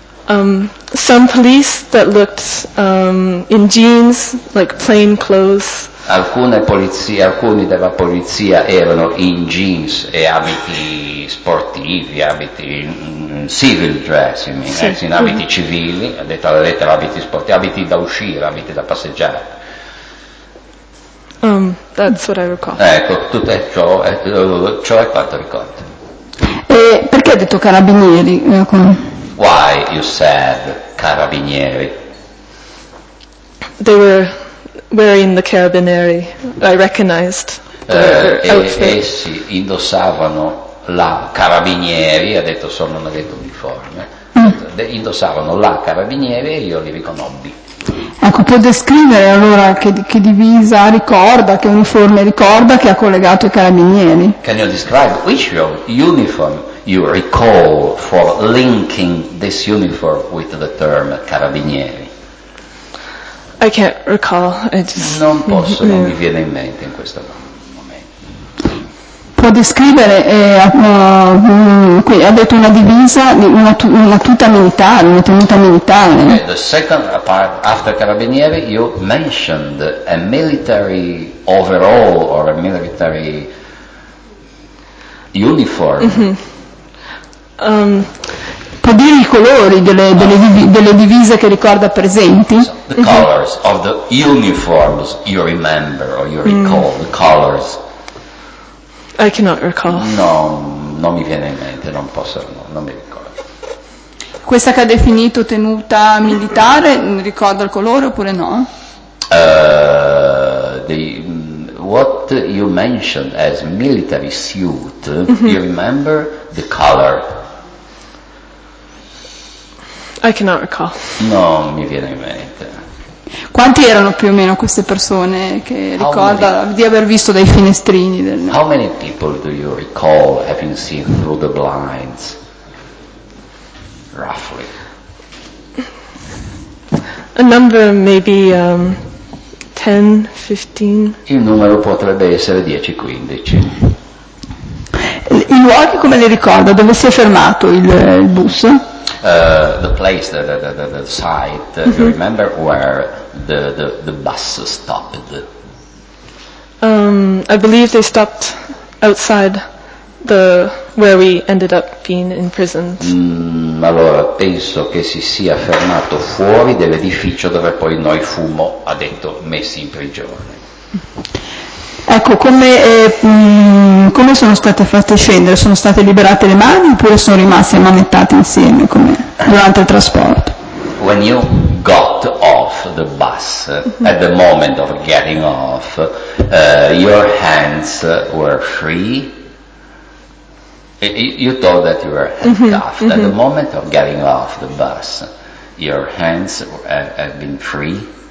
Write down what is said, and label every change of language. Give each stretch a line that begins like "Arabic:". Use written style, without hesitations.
English: Some police that looked in jeans, like plain clothes.
Italian: Alcuni della polizia erano in jeans e abiti sportivi, abiti
English: civil dress,
Italian: in abiti civili, ha detto alla lettera abiti sportivi, abiti da uscire, abiti da passeggiare.
English: That's what I recall.
Italian: Ecco, tutto ciò è cioè quanto ricordo. E perché ha detto carabinieri?
English: Why you said carabinieri? They were wearing the carabinieri, I recognized their outfit.
Italian: Essi indossavano la carabinieri, ha detto solo non ha detto uniforme, indossavano la carabinieri e io li riconobbi. Ecco, può descrivere allora che divisa ricorda, che uniforme ricorda, che ha collegato i carabinieri?
English: Can you describe which uniform you recall for linking this uniform with the term carabinieri? I can't recall.
Italian: Non posso, non mi viene in mente in questo momento. Può descrivere, ha detto una divisa, una tuta militare, una tenuta militare.
English: Okay, the second part, after carabinieri, you mentioned a military overall or a military uniform. Mm-hmm.
Italian: Può dire i colori delle divise che ricorda presenti?
English: So, the colors of the uniforms you remember or you recall, the colors. I cannot recall.
Italian: No, non mi viene in mente, non posso, no, non mi ricordo. Questa che ha definito tenuta militare, ricorda il colore oppure no?
English: What you mentioned as military suit, you remember the color? I cannot recall.
Italian: No, mi viene in mente. Quanti erano più o meno queste persone che ricorda di aver visto dai finestrini?
English: How many people do you recall having seen through the blinds, roughly? A number maybe 10, 15.
Italian: Il numero potrebbe essere 10, 15. I luoghi come li ricorda? Dove si è fermato il bus?
English: The place, the site, you remember where the bus stopped? I believe they stopped outside the where we ended up being imprisoned.
Italian: Allora, penso che si sia fermato fuori dell'edificio dove poi noi fummo, ha detto, messi in prigione. Ecco, come sono state fatte scendere? Sono state liberate le mani oppure sono rimaste ammanettate insieme come durante il trasporto?
English: When you got off the bus, at the moment of getting off, your hands were free. You thought that you were handcuffed. At the moment of getting off the bus, your hands have been free?